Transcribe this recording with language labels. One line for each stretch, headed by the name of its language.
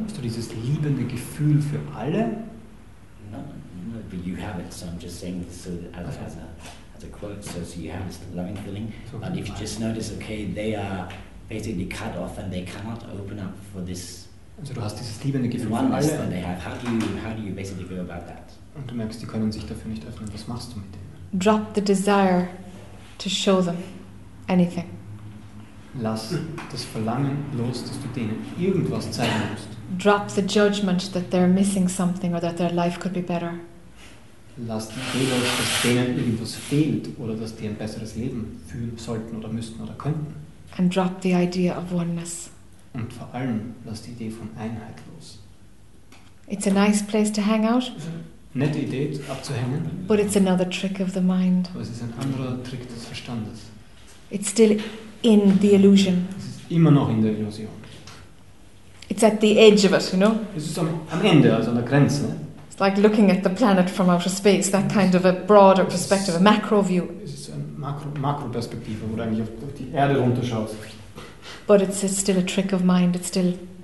German: Hast du dieses liebende Gefühl für alle?
English: No, but you have it, so I'm just saying this so that as a quote, so you have this loving feeling. So but if you just notice, okay, they are basically cut off and they cannot open up for this.
German: Also du hast dieses liebende Gefühl
English: oneness that they have. How do you basically go about that?
German: Und du merkst, die können sich dafür nicht öffnen. Was machst du mit denen?
English: Drop the desire to show them anything.
German: Lass das Verlangen los, dass du denen irgendwas zeigen musst.
English: Drop the judgment that they're missing something or that their life could be better.
German: Lass die Idee los, dass denen irgendwas fehlt oder dass die ein besseres Leben führen sollten oder müssten oder könnten.
English: And drop the idea of oneness.
German: Und vor allem lass die Idee von Einheit los.
English: It's a nice place to hang out.
German: Nette Idee, abzuhängen.
English: But it's another trick of the mind.
German: Aber es ist ein anderer Trick des Verstandes.
English: It's still in the illusion.
German: Es ist immer noch in der Illusion.
English: It's at the edge of it, you know?
German: Es ist am Ende, also an der Grenze.
English: It's like looking at the planet from outer space, that kind of a broader perspective, a macro view.
German: Es ist eine Makroperspektive, wo du eigentlich auf die Erde runterschaust.
English: But it's still a trick of mind, it's still.